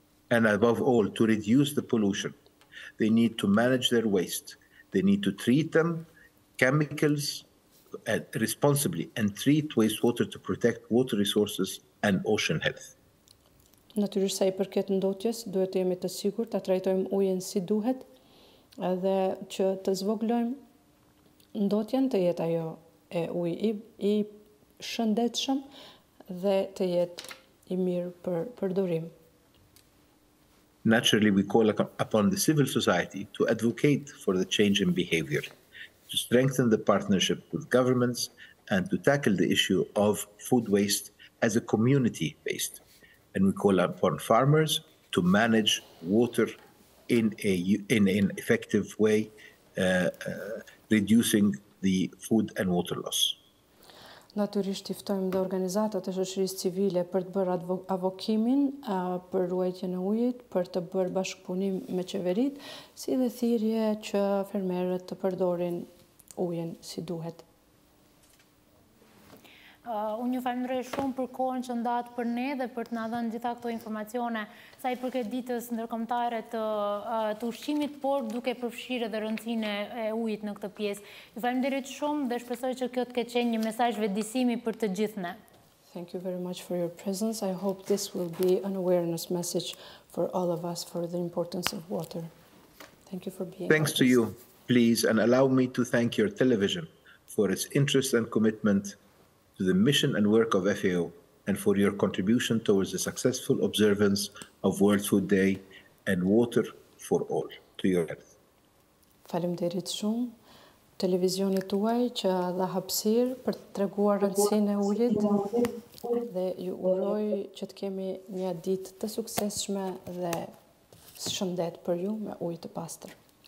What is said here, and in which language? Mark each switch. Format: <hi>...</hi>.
<en>And above all, to reduce the pollution, they need to manage their waste. They need to treat them chemicals responsibly and treat wastewater to protect water resources and ocean health.</en> <sq>Natyrisht sa i përket ndotjes, duhet të jemi të sigurt ta trajtojmë ujin si duhet, edhe që të zvoglojmë ndotjen të jetë ajo e ujë i shëndetshëm dhe të jetë i mirë për përdorim.</sq> <en>Naturally, we call upon the civil society to advocate for the change in behavior, to strengthen the partnership with governments, and to tackle the issue of food waste as a community-based. And we call upon farmers to manage water in an effective way, reducing the food and water loss.</en> <sq>Naturisht i ftojmë dhe organizatat e shoqërisë civile për të bërë avokimin për ruajtjen e ujit, për të bërë bashkëpunim me qeveritë, si dhe thirrje që fermerët të përdorin ujin si duhet. Unë ju falënderoj shumë për kohën që ndatë për ne dhe për të na dhënë gjitha këto informacione sa i përket ditës ndërkombëtare të ushqimit, por duke përfshirë edhe rëndësinë e ujit në këtë pjesë. Ju falënderoj shumë dhe shpresoj që kjo të ketë qenë një mesazh vendisimi për të gjithë ne.</sq> <en>Thank you very much for your presence. I hope this will be an awareness message for all of us for the importance of water. Thank you for being. Thanks to you. Please and allow me to thank your television for its interest and commitment to the mission and work of FAO, and for your contribution towards the successful observance of World Food Day and Water for All. To your health.</en> <sq>Faleminderit shumë televizionit tuaj që dha hapësirë për të treguar rëndësinë e ujit dhe ju uroj që të kemi një ditë të suksesshme dhe shëndet për ju me ujë të pastër.</sq>